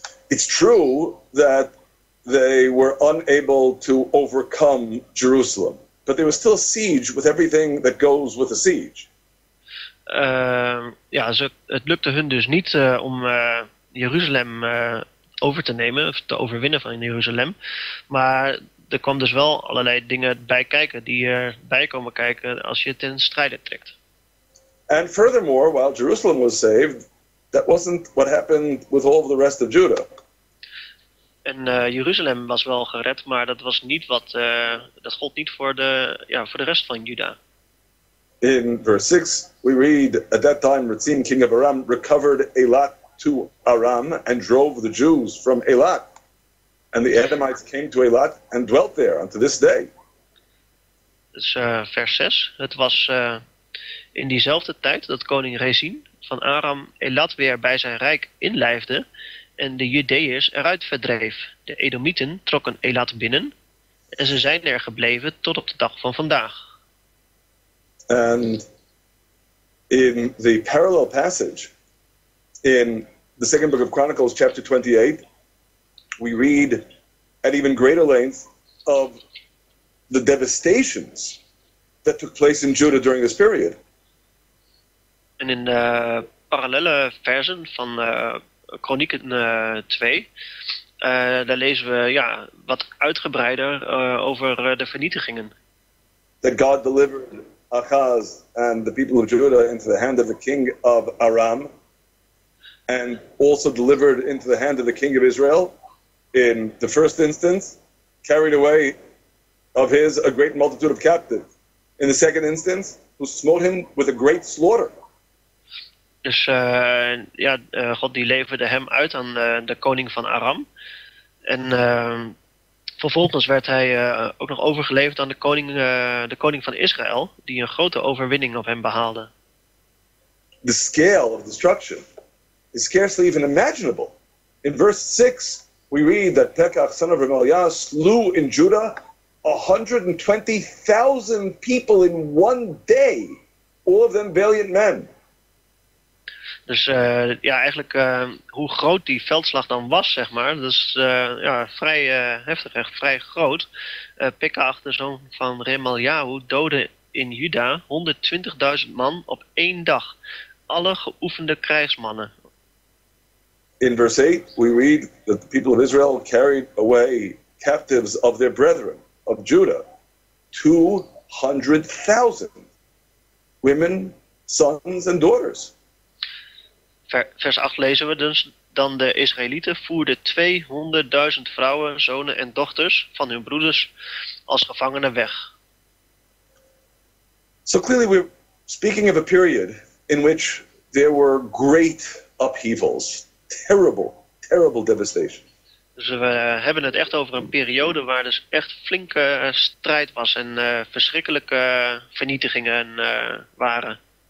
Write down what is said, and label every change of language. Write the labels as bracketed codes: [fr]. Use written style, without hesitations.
[en] it's true that they were unable to overcome Jerusalem, but there was still a siege with everything that goes with a siege. [nl] Ja, ze, het lukte hun dus niet om Jeruzalem over te nemen, of te overwinnen van Jeruzalem. Maar er kwam dus wel allerlei dingen bij kijken die erbij komen kijken als je ten strijde trekt. [en] And furthermore, while Jerusalem was saved, that wasn't what happened with all the rest of Judah. [nl] En Jeruzalem was wel gered, maar dat was niet wat dat gold niet voor de, ja, voor de rest van Juda. [en] In verse 6 we read, at that time Rezin, king of Aram, recovered Eilat to Aram and drove the Jews from Eilat. And the Edomites came to Eilat and dwelt there unto this day. [nl] Dus vers 6. Het was in diezelfde tijd dat koning Rezin van Aram Eilat weer bij zijn rijk inlijfde en de Judeërs eruit verdreef. De Edomieten trokken Eilat binnen en ze zijn er gebleven tot op de dag van vandaag. [en] And in the parallel passage, in the second book of Chronicles, chapter 28, we read at even greater length of the devastations that took place in Judah during this period. [nl] En in de parallele versen van Chronieken 2, daar lezen we ja, wat uitgebreider over de vernietigingen. [en] That God delivered Achaz and the people of Judah into the hand of the king of Aram, and also delivered into the hand of the king of Israel in the first instance, carried away of his a great multitude of captives in the second instance, who smote him with a great slaughter. [nl] Dus ja, God die leverde hem uit aan de koning van Aram. En vervolgens werd hij ook nog overgeleverd aan de koning van Israël, die een grote overwinning op hem behaalde. [en] The scale of destruction is scarcely even imaginable. In verse 6 we read that Pekah, son of Remaliah, slew in Judah 120,000 people in one day, all of them valiant men. [nl] Dus ja, eigenlijk hoe groot die veldslag dan was, zeg maar, dat is ja, vrij heftig, echt vrij groot. Pekah, de zoon van Remaliahu, doodde in Juda 120.000 man op één dag. Alle geoefende krijgsmannen. [en] In verse 8 we read that the people of Israel carried away captives of their brethren, of Judah, 200,000 women, sons and daughters. [nl] Vers 8 lezen we dus, dan de Israëlieten voerden 200.000 vrouwen, zonen en dochters van hun broeders als gevangenen weg. [en] So clearly we're speaking of a period in which there were great upheavals, terrible, terrible devastation. [nl] Dus we hebben het echt over een periode waar dus echt flinke strijd was en verschrikkelijke vernietigingen waren.